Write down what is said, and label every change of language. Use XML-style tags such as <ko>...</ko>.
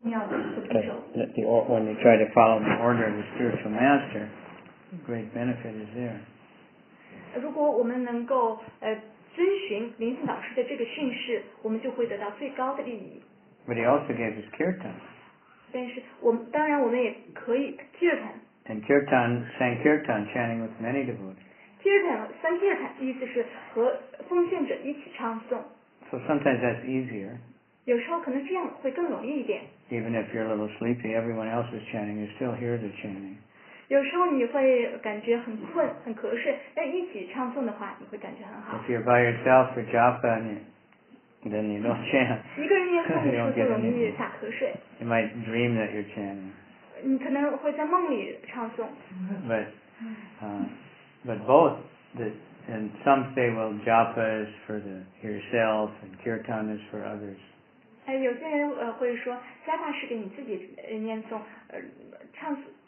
<en>that the, when you try to follow the order of the spiritual master, great benefit is there.</en> <zh>如果我们能够遵循灵性导师的这个训示，我们就会得到最高的利益。</zh> <en>But he also gave his kirtan.</en> <zh>但是我们当然我们也可以 kirtan.</zh> <en>And kirtan, sankirtan, chanting with many devotees.</en> <zh>Kirtan, sankirtan, 意思是和奉献者一起唱诵。</zh> <en>So sometimes that's easier.</en> <zh>有时候可能这样会更容易一点。</zh> <en>Even if you're a little sleepy, everyone else is chanting, you still hear the chanting.</en> <zh>有时候你会感觉很困很瞌睡但一起唱诵的话你会感觉很好</zh> <en>If you're by yourself for japa then you don't chant</en> <zh>一个人念诵的时候就容易打瞌睡</zh> <en>You might dream that you're chanting</en> <zh>你可能会在梦里唱诵</zh> <en>But both the, and some say well japa is for the yourself and kirtan is for others</en> <zh>有些人会说 japa 是给你自己念诵唱诵</zh>